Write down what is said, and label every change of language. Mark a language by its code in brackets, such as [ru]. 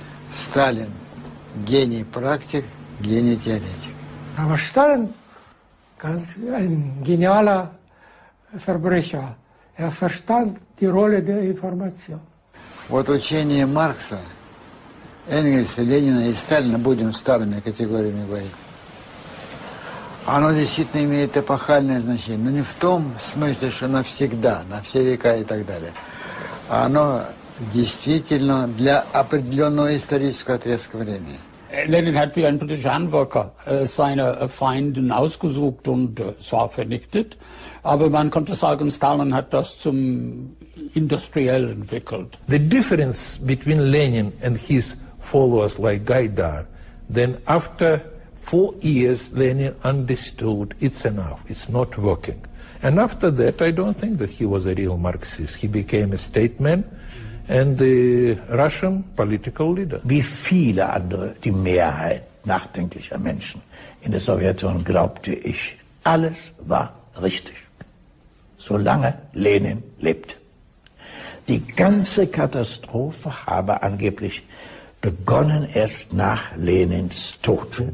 [ru] Stalin, гений практик, гений теоретик. [de] Aber Stalin, ganz ein genialer Verbrecher, verstand die Rolle der Information. [ru] Вот учение Маркса, Энгельса, Ленина и Сталина, будем старыми категориями говорить, оно действительно имеет эпохальное значение, но не в том смысле, что навсегда, на все века и так далее. Оно действительно для определенного исторического отрезка времени. [de] Lenin hat wie ein britischer Handwerker seine Feinden ausgesucht und zwar vernichtet, aber man könnte sagen, Stalin hat das zum Industriell entwickelt. [en] The difference between Lenin and his followers like Gaidar, then after 4 years, Lenin understood it's enough, it's not working. And after that, I don't think that he was a real Marxist. He became a statesman and the Russian political leader. [de] Wie viele andere, die Mehrheit nachdenklicher Menschen in der Sowjetunion, glaubte ich, alles war richtig, solange Lenin lebte. Die ganze Katastrophe habe angeblich begonnen erst nach Lenins Tod.